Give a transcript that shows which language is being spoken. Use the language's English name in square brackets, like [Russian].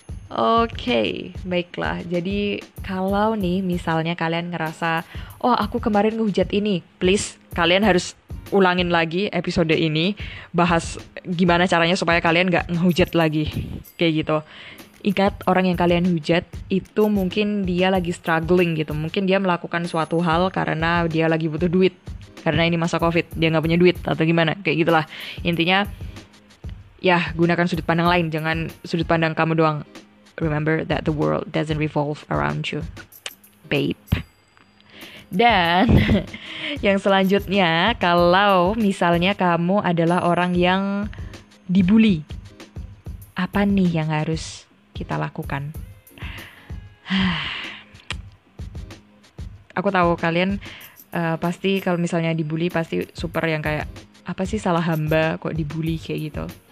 [Indonesian] Oke, baiklah. Jadi kalau nih misalnya kalian ngerasa, oh aku kemarin ngehujat ini, please kalian harus ulangin lagi episode ini, bahas gimana caranya supaya kalian gak ngehujat lagi, kayak gitu. Ingat, orang yang kalian hujat itu mungkin dia lagi struggling gitu, mungkin dia melakukan suatu hal karena dia lagi butuh duit, karena ini masa COVID, dia gak punya duit atau gimana, kayak gitulah. Intinya, ya gunakan sudut pandang lain, jangan sudut pandang kamu doang. [English] Remember that the world doesn't revolve around you, babe. [Indonesian] Dan yang selanjutnya, kalau misalnya kamu adalah orang yang dibully, apa nih yang harus kita lakukan? Aku tahu kalian pasti kalau misalnya dibully pasti super yang kayak, apa sih salah hamba kok dibully kayak gitu.